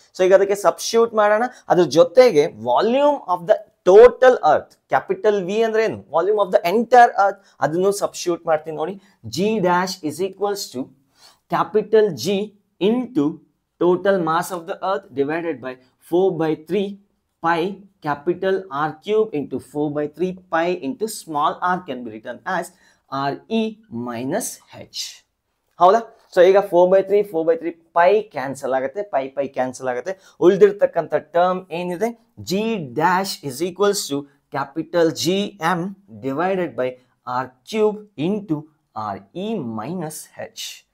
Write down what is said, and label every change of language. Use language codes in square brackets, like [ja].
[kn] So ಈಗ ಅದಕ್ಕೆ substitute ಮಾಡೋಣ. ಅದ್ರ ಜೊತೆಗೆ volume of the total earth, capital V ಅಂದ್ರೆ ಏನು? [en] volume of the entire earth, [kn] ಅದನ್ನು ಸಬ್ಸ್ಟಿಟ್ಯೂಟ್ ಮಾಡ್ತೀನಿ ನೋಡಿ. [en] G dash is equals to capital G into total mass of the earth divided by 4/3 pi capital R cube into 4 by 3 pi into small r can be written as Re minus H. [kn] ಹೌದಾ? So ಈಗ 4 by 3 pi cancel ಆಗುತ್ತೆ, pi cancel ಆಗುತ್ತೆ. ಉಳಿದಿರ್ತಕ್ಕಂಥ term ಏನಿದೆ, [en] G dash is equals to capital G M divided by R cube into R E minus H.